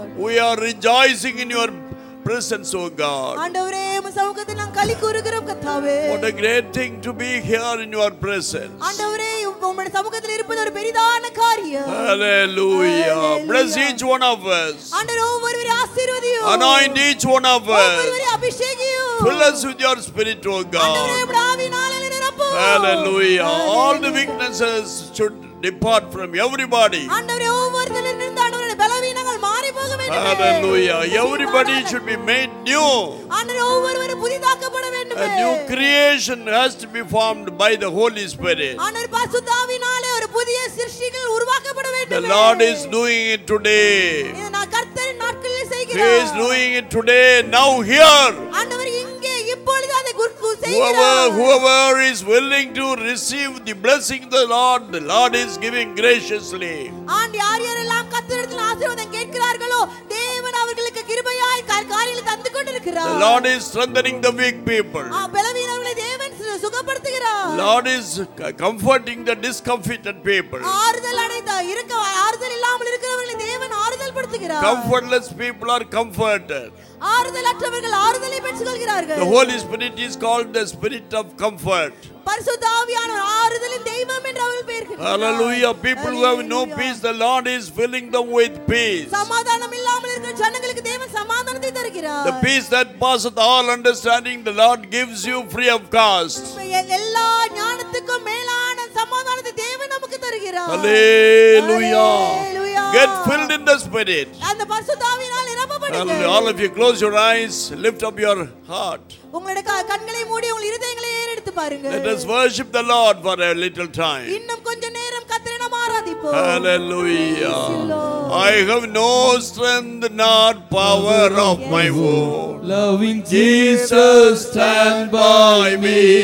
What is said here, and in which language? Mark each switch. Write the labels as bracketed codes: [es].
[en] We are rejoicing in your presence, oh God. [ta] ஆண்டவரே, உம்மை சமூகத்தில் நாம் களி கூறுகிறோம் கர்த்தாவே. [en] What a great thing to be here in your presence. [ta] ஆண்டவரே, உம்முடைய சமூகத்தில் இருப்பது ஒரு பெரிதான காரியம். [en] Hallelujah. Bless each one of us. [ta] ஆண்டவரே, ஒவ்வொருவரை ஆசீர்வதியும். [en] Anoint each one of us. [ta] ஒவ்வொருவரை அபிஷேகியும். [en] Fill us with your spirit, oh God. [ta] ஆண்டவரே, உம்முடைய ஆவியினால் நிரப்பும். [en] Hallelujah. All the weaknesses should depart from everybody. [ta] ஆண்டவரே, ஒவ்வொருவரிலிருந்து ஆண்டவரே பலவீனங்கள் மாறி போக வேண்டும். [en] Hallelujah. Everybody should be made new. [ta] ஆண்டவரே, ஒவ்வொருவரும் புதிதாக்கப்பட வேண்டும். [en] A new creation has to be formed by the Holy Spirit. [ta] ஆண்டவரே, பரிசுத்த ஆவியினாலே ஒரு புதிய சிருஷ்டிகள் உருவாக்கப்பட வேண்டும். [en] The Lord is doing it today. [ta] இன்ன கர்த்தர் நாட்களில் செய்கிறார். [en] He is doing it today, now here. [ta] ஆண்டவர் இங்கே இப்பொழுது அதை குறித்து செய்கிறார். [en] Whoever is willing to receive the blessing of the Lord is giving graciously. [ta] ஆண்ட யார் யாரெல்லாம் கர்த்தரின் ஆசீர்வாதம் கேட்கிறார்களோ, தேவன் அவர்களுக்கு கிருபையாய் காரியங்களை தந்து கொண்டிருக்கிறார். [en] The Lord is strengthening the weak people. [ta] பலவீனர்களை தேவன் அவர்களை சுகப்படுத்துகிறார் [en] Lord is comforting the discomfited people [ta] ஆறுதல் அடைந்த இருக்க ஆறுதல் இல்லாமல் இருக்கிறவர்களை தேவன் ஆறுதல் படுத்துகிறார் [en] comfortless people are comforted [ta] ஆறுதல் அற்றவர்கள் ஆறுதலை பெற்றுக்கொள்கிறார்கள் [en] the Holy Spirit is called the Spirit of comfort [ta] பரிசுத்த ஆவியானவர் ஆறுதலின் தெய்வம் என்று அவர்கள் பெயர்கிறார்கள் [en] hallelujah people who have no peace the lord is filling them with peace [ta] சமாதானம் இல்லாமல் இருக்கிற ஜனங்களுக்கு தேவன் சமாதானத்தை தருகிறார் [en] the peace that passeth all understanding the lord gives you free of cost [ta] எல்லா ஞானத்துக்கும் மேலான சமாதானத்தை தேவன் நமக்கு தருகிறார் [en] hallelujah hallelujah get filled in the spirit [ta] அந்த பரிசுத்த ஆவியினால் நிரப்பப்படுங்கள் [en] and all of you close your eyes lift up your heart [ta] உங்களுடைய கண்களை மூடி உங்கள் இதயங்களை [en] Let us worship the Lord for a little time. [ta] இன்னும் கொஞ்ச நேரம் கர்த்தரை நாம் ஆராதிப்போம். [en] Hallelujah. I have no strength nor power of my own. Loving Jesus stand by me.